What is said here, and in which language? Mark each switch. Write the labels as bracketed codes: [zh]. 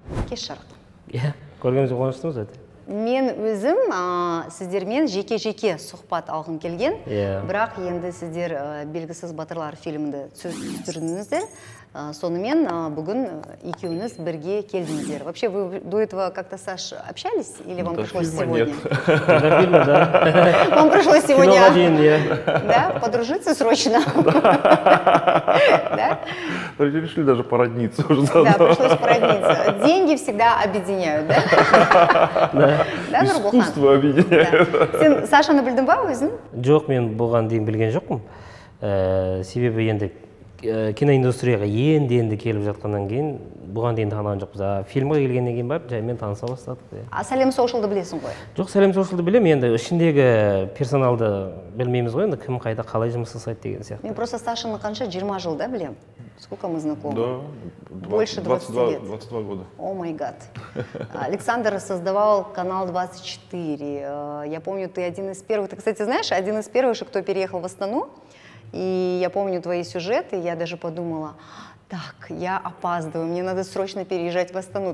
[kk] Кеш жарық. Иә, көргенімізге қуаныштымыз өте. Мен өзім сіздермен жеке-жеке сұхбат алғым келген. Иә. Бірақ енді сіздер «Белгісіз батырлар» фильмінде түсірдіңіздер. Сонымен бүгін екеуіңіз бірге келдіңіздер. [ru] Вообще, вы до этого как-то, Саш, общались? Или вам пришлось сегодня? Нет. Фильма, да. Вам пришлось сегодня? Кино один, я. Да? Подружиться срочно? Да. Да? Решили даже породниться уже. Да, пришлось породниться. Деньги всегда объединяют, да? Да. Да, Нурбулхан? Искусство объединяет. [kk] Сен Сашаны білдің өзің? Жоқ, мен бұған дейін білген жоқпын. Себебі енді киноиндустрияға енді келіп жатқаннан кейін, бұған дейін таныған жоқпыз. Фильмге келгеннен кейін барып, жаймен таныса бастадық. А Сәлем Соушылды білесің ғой? Жоқ, Сәлем Соушылды білемін. Енді ішіндегі персоналды білмейміз ғой, енді кім қайда қалай жұмыс жасайды деген сияқты. Мен просто Сашаны қанша 20 жыл да білемін. [ru] Сколько мы знакомы? Да, больше 22 года. [en] О май гад. [ru] Александр создавал канал 24. Я помню, ты один из первых. Ты, кстати, знаешь, один из первых, кто переехал в Астану. И я помню твои сюжеты, я даже подумала, так, я опаздываю, мне надо срочно переезжать в Астану.